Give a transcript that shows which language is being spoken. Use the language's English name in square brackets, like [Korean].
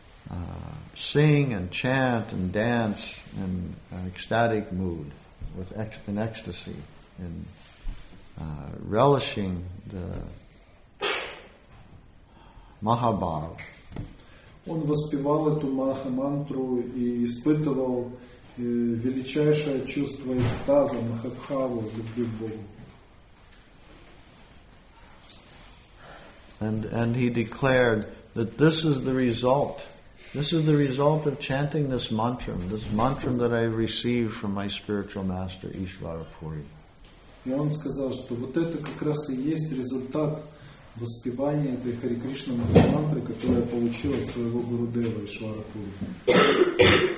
[English] That he would sing and chant and dance in an ecstatic mood, in ecstasy, relishing the Mahabhav. [Russian] Он воспевал эту Махамантру и испытывал величайшее чувство экстаза, Махабхаву, любви к Богу. [English] And he declared that this is the result of chanting this mantra that I received from my spiritual master Ishvara Puri. [Russian] И он сказал, что вот это как раз и есть результат воспевания этой Хари Кришна мантры, которую я получил от своего гуру Дева Ишвара Пури.